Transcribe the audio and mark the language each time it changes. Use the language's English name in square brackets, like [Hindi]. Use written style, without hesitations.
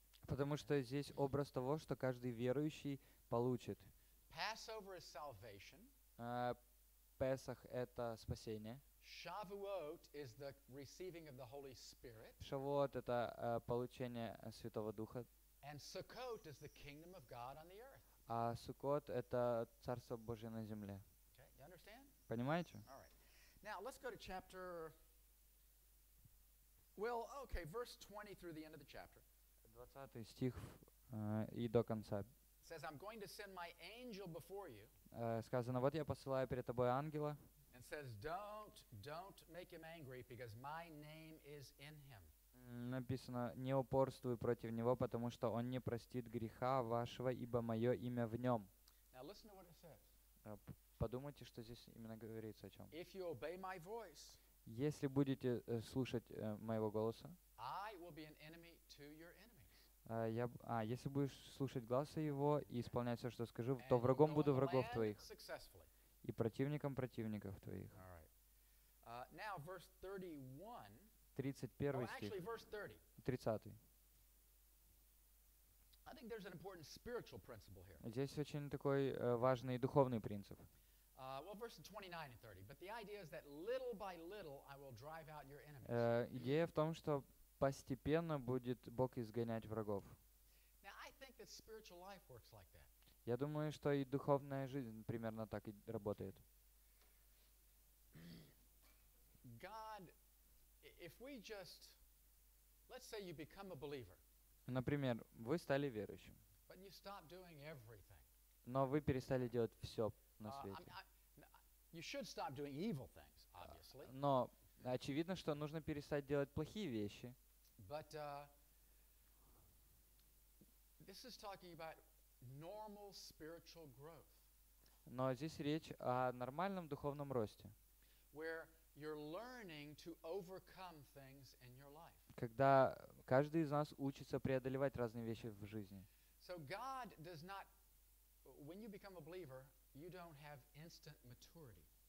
[Russian] Потому что здесь образ того, что каждый верующий получит. [English] Passover is salvation. [Russian] Песах — это спасение. [English] Shavuot is the receiving of the Holy Spirit. [Russian] Шавуот — это получение Святого Духа. [English] And Sukkot is the kingdom of God on the earth. [Russian] А Суккот — это Царство Божье на земле. [English] Okay, you understand? [Russian] Понимаете? [English] All right. Now, let's go to chapter... Well, okay, verse 20 through the end of the chapter. [Russian] 20 стих и до конца. [English] Says, I'm going to send my angel before you. [Russian] Сказано, вот я посылаю перед тобой ангела. [English] And says, don't make him angry, because my name is in him. [Russian] Написано, не упорствуй против него, потому что он не простит греха вашего, ибо мое имя в нем. [English] Now listen to what it says. [Russian] Подумайте, что здесь именно говорится о чем. [English] If you obey my voice, [Russian] если будете слушать моего голоса, [English] I will be an enemy to your enemies. [Russian] Если будешь слушать голоса его и исполнять все, что скажу, то врагом буду врагов твоих. [English] Successfully. [Russian] И противником противников твоих. [English] All right. Now verse 31. [Russian] 31 стих. [English] Actually verse 30. [Russian] 30. [English] I think there's an important spiritual principle here. [Russian] Здесь очень такой важный духовный принцип. [English] Well, verses 29 and 30. But the idea is that little by little I will drive out your enemies. [Russian] Идея в том, что постепенно будет Бог изгонять врагов. [English] Now I think that spiritual life works like that. [Russian] Я думаю, что и духовная жизнь примерно так и работает. [English] God, if we just, let's say you become a believer. [Russian] Например, вы стали верующим. [English] But you stop doing everything. [Russian] Но вы перестали делать все на свете. [English] You should stop doing evil things, obviously. [Russian] Но очевидно, что нужно перестать делать плохие вещи. [English] But this is talking about normal spiritual growth. [Russian] Но здесь речь о нормальном духовном росте. [English] Where you're learning to overcome things in your life. [Russian] Когда каждый из нас учится преодолевать разные вещи в жизни. [English] So God does not, when you become a believer, you don't have instant maturity.